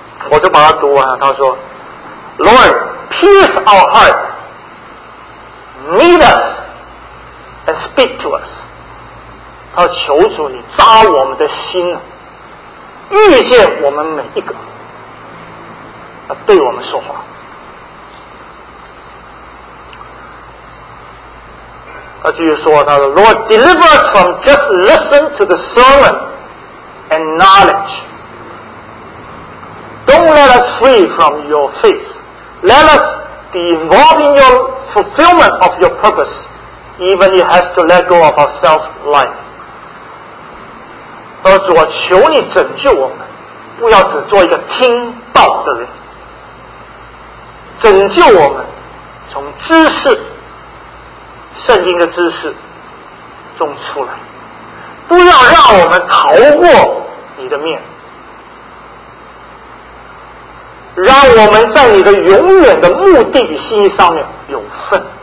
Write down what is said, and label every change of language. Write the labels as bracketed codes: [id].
[zh] 我就把它读完了。他说 [en] Lord pierce our heart， meet us and speak to us。 [zh] 他说求主你扎我们的心，遇见我们每一个，对我们说话。他继续说，他说 [en] Lord deliver us from just listen to the sermon and knowledge， don't let us free from your face， let us be involved in your fulfillment of your purpose， even it has to let go of our self life。 [zh] 他说主啊，求你拯救我们，不要只做一个听到的人，拯救我们从知识，圣经的知识中出来，不要让我们逃过你的面，让我们在你的永远的目的与心意上面有份。